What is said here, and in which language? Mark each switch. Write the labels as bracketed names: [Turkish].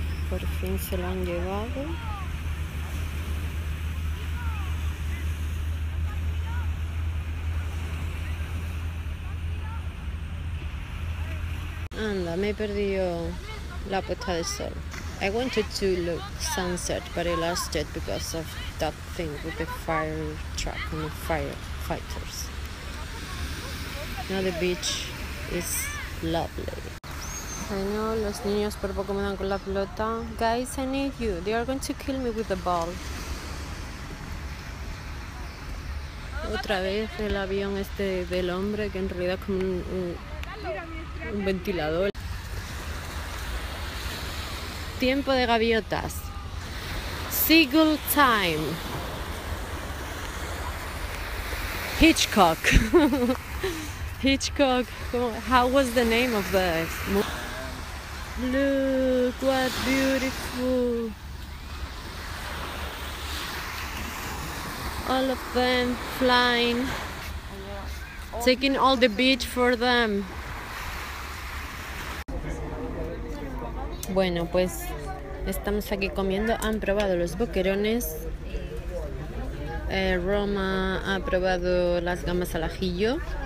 [Spanish] Por fin se lo han llevado. Anda, me he perdido la puesta de sol. [English] I wanted to look sunset, but I lost it because of that thing with the fire truck and the firefighters. Now the beach is lovely. I know, [Spanish] los niños por poco me dan con la pelota. [English] Guys, I need you. They are going to kill me with the ball. [Spanish] Otra vez el avión este del hombre, que en realidad es como un ventilador. Tiempo de gaviotas. [English] Seagull time. Hitchcock. Hitchcock. How was the name of the movie? Look what beautiful. All of them flying. Taking all the beach for them. [Spanish] Bueno, pues estamos aquí comiendo. Han probado los boquerones. Roma ha probado las gambas al ajillo.